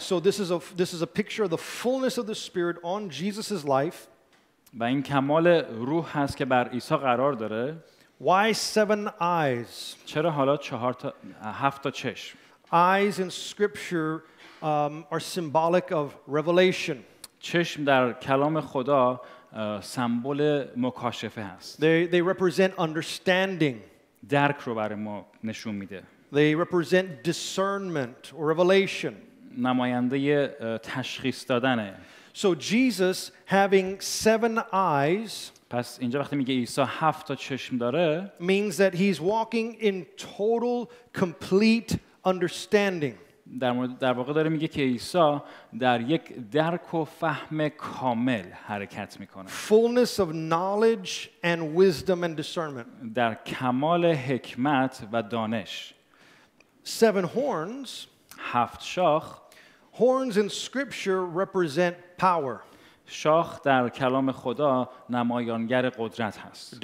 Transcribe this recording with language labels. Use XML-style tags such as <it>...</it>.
<en>So this is a picture of the fullness of the Spirit on Jesus's life.</en> <fa>و این کمال روح هست که بر عیسی قرار داره.</fa> <en>Why 7 eyes?</en> <fa>چرا حالا 4 تا 7 تا چشم؟</fa> <en>Eyes in Scripture are symbolic of revelation.</en> <fa>چشم در کلام خدا سمبل مکاشفه است.</fa> <en>They represent understanding.</en> <fa>درک رو برای ما نشون میده.</fa> <en>They represent discernment or revelation.</en> <fa>نماینده تشخیص دادنه.</fa> <en>So Jesus having 7 eyes.</en> <fa>پس اینجا وقتی میگه عیسی 7 تا چشم داره.</fa> <en>Means that he's walking in total, complete. Understanding.</en> <fa>در واقع داره میگه که عیسی در یک درک و فهم کامل حرکت میکنه.</fa> <en>Fullness of knowledge and wisdom and discernment.</en> <fa>در کمال حکمت و دانش.</fa> <en>Seven horns.</en> <fa>هفت شاخ.</fa> <en>Horns in Scripture represent power.</en> <fa>شاخ در کلام خدا نمایانگر قدرت هست.</fa>